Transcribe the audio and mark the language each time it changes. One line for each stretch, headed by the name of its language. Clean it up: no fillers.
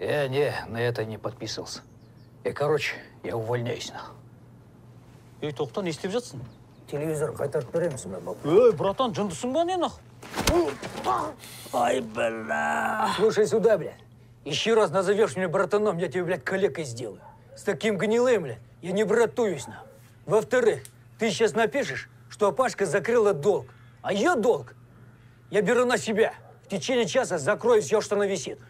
Russian: Не, на это не подписывался. Короче, я увольняюсь нахуй.
Kazakh: Тоқта, не істеп жатсың? Телевизор қайтарып беремісің, бабам. Братан, жындысың ба не нахуй?
Russian: Ай, бля. Слушай сюда, бля. Еще раз назовешь меня братаном, я тебе, блядь, коллегой сделаю. С таким гнилым, бля. Я не братуюсь нам. Во-вторых, ты сейчас напишешь, что Пашка закрыла долг. А ее долг я беру на себя. В течение часа закрою все, что нависит.